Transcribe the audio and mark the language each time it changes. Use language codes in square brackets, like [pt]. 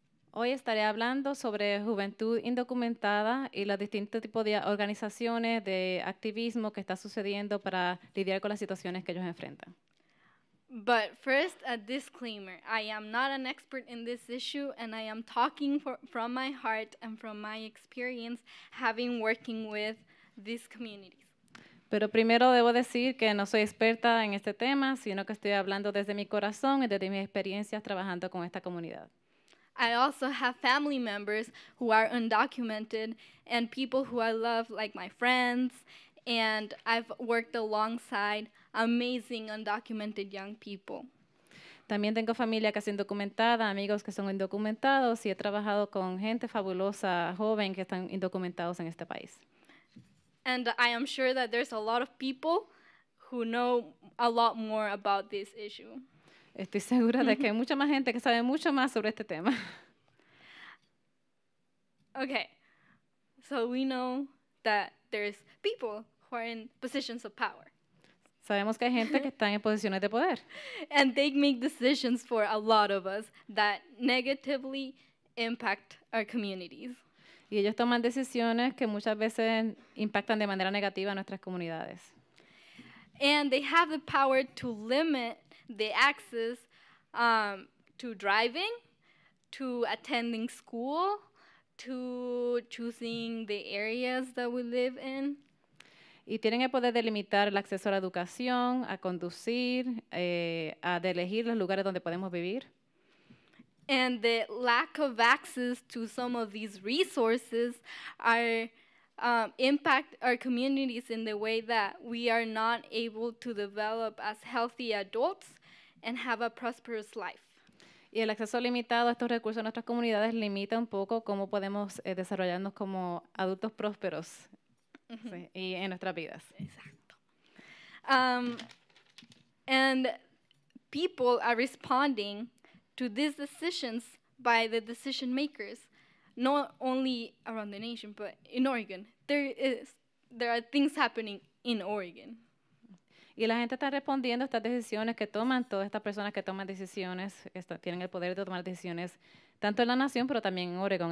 [es] Hoy estaré hablando sobre juventud indocumentada y los distintos tipos de organizaciones de activismo que está sucediendo para lidiar con las situaciones que ellos enfrentan. [en] But first, a disclaimer. I am not an expert in this issue, and I am talking from my heart and from my experience having working with these communities. [es] Pero primero debo decir que no soy experta en este tema, sino que estoy hablando desde mi corazón y desde mis experiencias trabajando con esta comunidad. [en] I also have family members who are undocumented and people who I love, like my friends, and I've worked alongside amazing undocumented young people. [es] También tengo familia que es indocumentada, amigos que son indocumentados, y he trabajado con gente fabulosa, joven, que están indocumentados en este país. [en] And I am sure that there's a lot of people who know a lot more about this issue. [es] Estoy segura de que hay mucha más gente que sabe mucho más sobre este tema. [en] Okay, so we know that there's people who are in positions of power. [es] Sabemos que hay gente que está en posiciones de poder. [en] And they make decisions for a lot of us that negatively impact our communities. [es] Y ellos toman decisiones que muchas veces impactan de manera negativa a nuestras comunidades. [en] And they have the power to limit the access to driving, to attending school, to choosing the areas that we live in. [es] Y tienen el poder de limitar el acceso a la educación, a conducir, a de elegir los lugares donde podemos vivir. [en] And the lack of access to some of these resources are impact our communities in the way that we are not able to develop as healthy adults and have a prosperous life. [es] Y el acceso limitado a estos recursos en nuestras comunidades limita un poco cómo podemos desarrollarnos como adultos prósperos. Mm-hmm. Sí, y en nuestras vidas. Exacto. [en] And people are responding to these decisions by the decision makers, not only around the nation, but in Oregon. There are things happening in Oregon. [es] Y la gente está respondiendo a estas decisiones que toman, todas estas personas que toman decisiones, tienen el poder de tomar decisiones, tanto en la nación, pero también en Oregon.